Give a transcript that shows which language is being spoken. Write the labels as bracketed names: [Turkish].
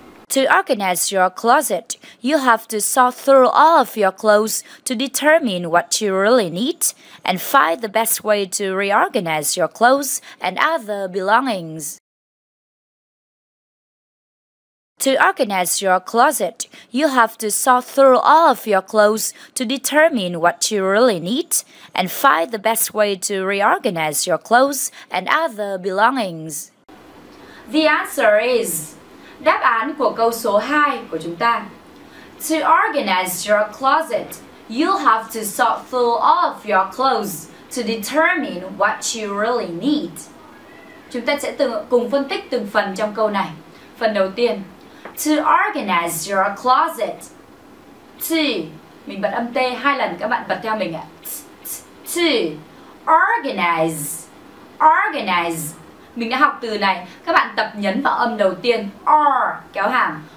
[English] To organize your closet, you have to sort through all of your clothes to determine what you really need and find the best way to reorganize your clothes and other belongings. To organize your closet, you have to sort through all of your clothes to determine what you really need and find the best way to reorganize your clothes and other belongings. The answer is [Vietnamese] đáp án của câu số 2 của chúng ta. [English] To organize your closet, you'll have to sort through all of your clothes to determine what you really need. [Vietnamese] Chúng ta sẽ cùng phân tích từng phần trong câu này. Phần đầu tiên, [English] to organize your closet. [Vietnamese] To, mình bật âm T hai lần, các bạn bật theo mình ạ. To organize. Organize. Mình đã học từ này, các bạn tập nhấn vào âm đầu tiên R, kéo hàm.